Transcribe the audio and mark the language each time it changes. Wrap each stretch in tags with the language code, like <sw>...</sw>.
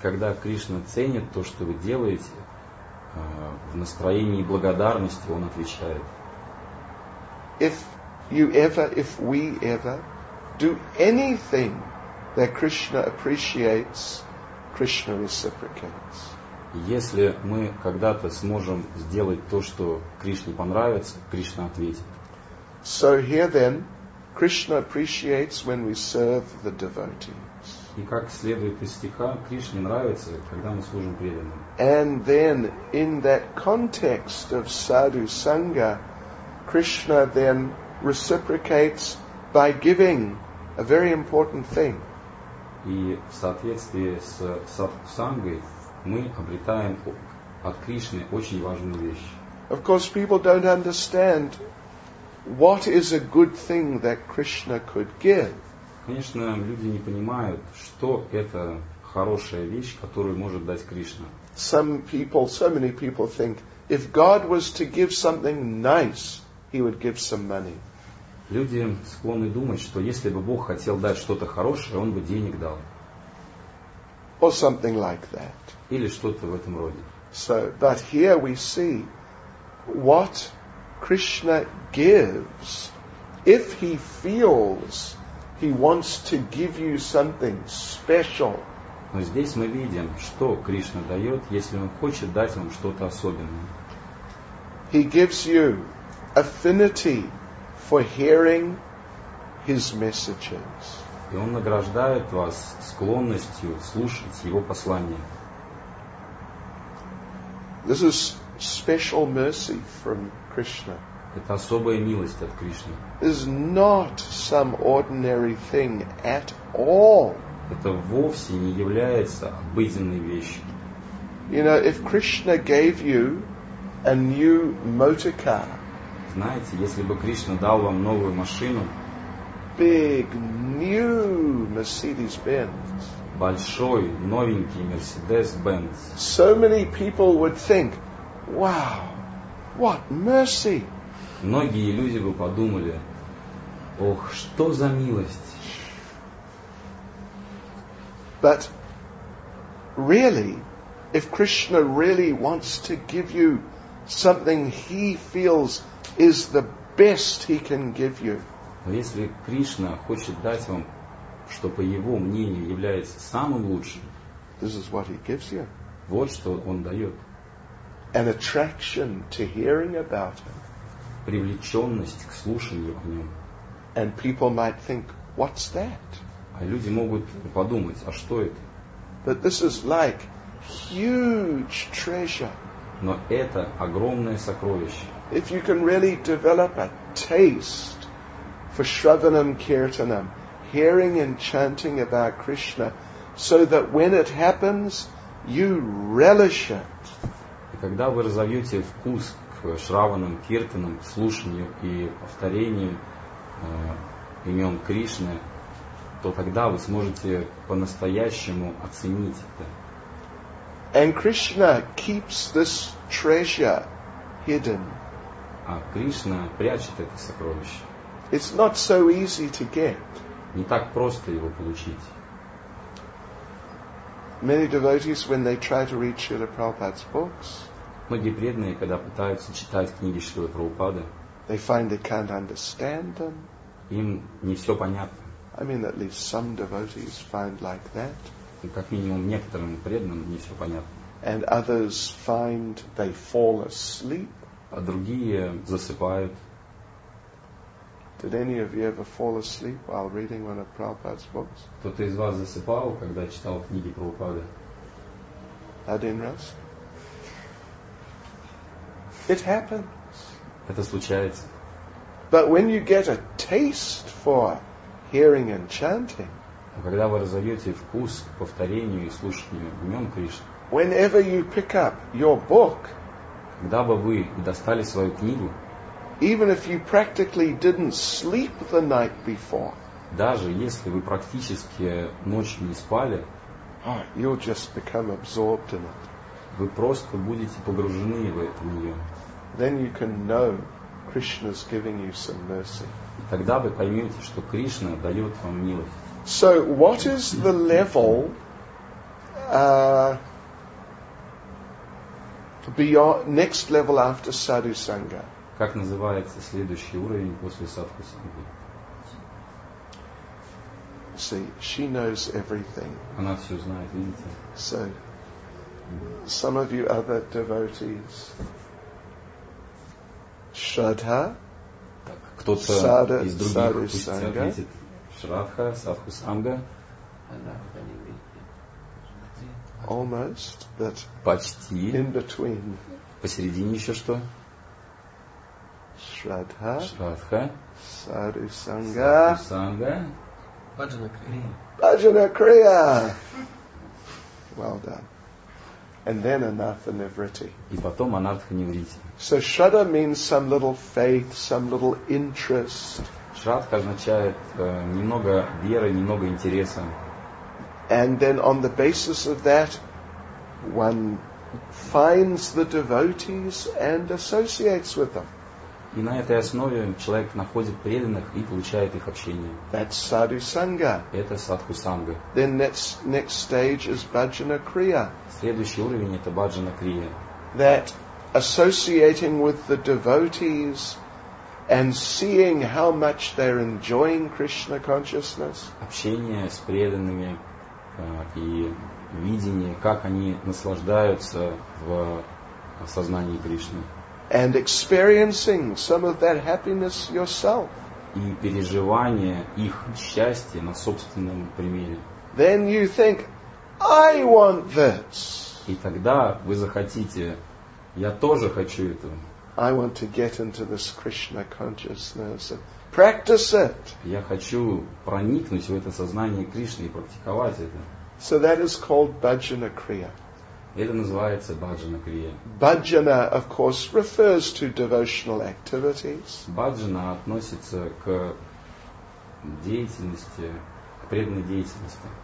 <ru>Когда Кришна ценит то, что вы делаете, в настроении благодарности он отвечает.</ru> <en>If we ever do anything that Krishna appreciates, Krishna reciprocates.</en> <ru>Если мы когда-то сможем сделать то, что Кришне понравится, Кришна ответит.</ru> <en>So here then, Krishna appreciates when we serve the devotees.</en> <ru>И как следует из стиха, Кришне нравится, когда мы служим преданным.</ru> <en>And then, in that context of sadhu sangha, Krishna then reciprocates by giving a very important thing.</en> <ru>И в соответствии с садху-сангой мы обретаем от Кришны очень важную вещь.</ru> <en>Of course, people don't understand what is a good thing that Krishna could give.</en> <ru>Конечно, люди не понимают, что это хорошая вещь, которую может дать Кришна.</ru> <en>Some people, so many people think, if God was to give something nice, He would give some money.</en> <ru>Люди склонны думать, что если бы Бог хотел дать что-то хорошее, Он бы денег дал.</ru> <en>Or something like that.</en> <ru>Или что-то в этом роде.</ru> <en>So, but here we see what Krishna gives. If he feels he wants to give you something special.</en> <ru>Но здесь мы видим, что Кришна дает, если он хочет дать вам что-то особенное.</ru> <en>He gives you affinity for hearing his messages.</en> <ru>И он награждает вас склонностью слушать его послания.</ru> <en>This is special mercy from Krishna.</en> <ru>Это особая милость от Кришны.</ru> <en>Is not some ordinary thing at all.</en> <ru>Это вовсе не является обыденной вещью.</ru> <en>You know, if Krishna gave you a new motor car.</en> <ru>Знаете, если бы Кришна дал вам новую машину.</ru> <en>Big new Mercedes-Benz.</en> <ru>Большой новенький Mercedes-Benz.</ru> <en>So many people would think, wow, what mercy.</en> <ru>Многие люди бы подумали, ох, что за милость.</ru> <en>But really, if Krishna really wants to give you something he feels is the best he can give you.</en> <ru>Но если Кришна хочет дать вам, что по его мнению является самым лучшим,</ru> <en>this is what he gives you.</en> <ru>Вот что он дает.</ru> <en>An attraction to hearing about him.</en> <ru>Привлеченность к слушанию о нем.</ru> <en>And people might think, what's that?</en> <ru>А люди могут подумать, а что это?</ru> <en>But this is like huge treasure.</en> <ru>Но это огромное сокровище.</ru> <en>If you can really develop a taste for Shravanam Kirtanam, hearing and chanting about Krishna, so that when it happens, you relish it.</en> <ru>И когда вы разовьете вкус к Шраванам Киртанам, слушанию и повторению имен Кришны, то тогда вы сможете по-настоящему оценить это.</ru> <en>And Krishna keeps this treasure hidden.</en> <ru>А Кришна прячет это сокровище.</ru> <en>It's not so easy to get.</en> <ru>Не так просто его получить.</ru> <en>Many devotees, when they try to read Srila Prabhupada's books,</en> <ru>многие преданные, когда пытаются читать книги Шрилы Прабхупады,</ru> <en>they find they can't understand them.</en> <ru>Им не все понятно.</ru> <en>I mean, at least some devotees find like that.</en> <ru>И как минимум некоторым преданным не все понятно.</ru> <en>And others find they fall asleep.</en> <ru>А другие засыпают.</ru> <en>Did any of you ever fall asleep while reading one of Prabhupada's books?</en> <ru>Кто-то из вас засыпал, когда читал книги Прабхупады? Один раз?</ru> <en>It happens.</en> <ru>Это случается.</ru> <en>But when you get a taste for hearing and chanting,</en> <ru>когда вы разовьете вкус к повторению и слушанию имен Кришны,</ru> <en>whenever you pick up your book,</en> <ru>когда бы вы достали свою книгу,</ru> <en>even if you practically didn't sleep the night before,</en> <ru>даже если вы практически ночью не спали,</ru> <en>you'll just become absorbed in it.</en> <ru>Вы просто будете погружены в нее.</ru> <en>Then you can know Krishna's giving you some mercy.</en> <ru>Тогда вы поймете, что Кришна дает вам милость.</ru> <en>So what is the level beyond next level after sadhu sangha?</en> <ru>Как называется следующий уровень после садху санги?</ru> <en>See, she knows everything.</en> <ru>Она все знает, видите?</ru> <en>So, some of you other devotees, Shraddha,</en> <ru>кто-то Sada, из других Sangha, Shraddha, Sadhu Sangha,</ru> <en>almost, but</en> <ru>почти,</ru> <en>in between,</en> <ru>посередине еще что? Shraddha, Shraddha, Sadhu Sangha, Sadhu Sangha,</ru> <en>Bhajana Kriya. Well done. And then Anartha Nivritti.</en> <ru>И потом Анартха Нивритти.</ru> <en>So Shraddha means some little faith, some little interest.</en> <ru>Shraddha означает немного веры, немного интереса.</ru> <en>And then on the basis of that, one finds the devotees and associates with them.</en> <ru>И на этой основе человек находит преданных и получает их общение.</ru> <en>That's sadhu sangha.</en> <ru>Это садху санга.</ru> <en>Then next stage is bhajana kriya.</en> <ru>Следующий уровень это bhajana kriya.</ru> <en>That associating with the devotees and seeing how much they're enjoying Krishna consciousness.</en> <ru>Общение с преданными и видение, как они наслаждаются в сознании Кришны.</ru> <en>And experiencing some of that happiness yourself.</en> <ru>И переживание их счастья на собственном примере.</ru> <en>Then you think, I want this.</en> <ru>И тогда вы захотите, я тоже хочу этого.</ru> <en>I want to get into this Krishna consciousness and practice it.</en> <ru>Я хочу проникнуть в это сознание Кришны и практиковать это.</ru> <en>So that is called bhajana kriya.</en> <ru>Это называется bhajana kriya.</ru> <en>Bhajana, of course, refers to devotional activities.</en> <ru>Bhajana относится к деятельности, к преданной деятельности.</ru>